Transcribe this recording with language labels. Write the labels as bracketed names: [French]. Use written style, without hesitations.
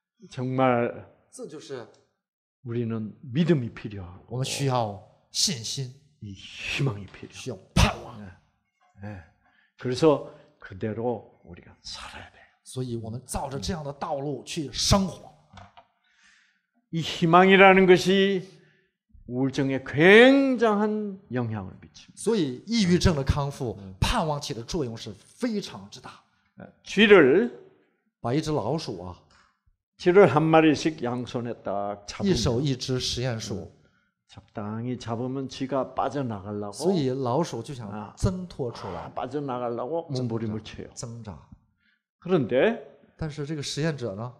[Korean] 정말 우리는 믿음이 필요하고 [Chinese] 我们需要信心, [Korean] 이 희망이 필요하고 [Chinese] 需要盼望.네. [Korean] 네. 그래서 그대로 우리가 살아야 돼요. [Chinese] 所以我们照着这样的道路去生活. [Korean] 이 희망이라는 것이 우울증에 굉장한 영향을 미칩니다. [Chinese] 所以抑郁症的康复, 盼望起的作用是非常之大. [Korean] 쥐를 [Chinese] 把一只老鼠啊, [Korean] 쥐를 한 마리씩 양손에 딱 잡으면 [Chinese] 一手一只 实验鼠, [Korean] 적당히 잡으면 쥐가 빠져나가려고 [Chinese] 所以老鼠就想挣脱出来, [Korean] 빠져나가려고 몸부림을 쳐요. [Chinese] 挣扎. [Korean] 그런데 [Chinese] 但是这个实验者呢?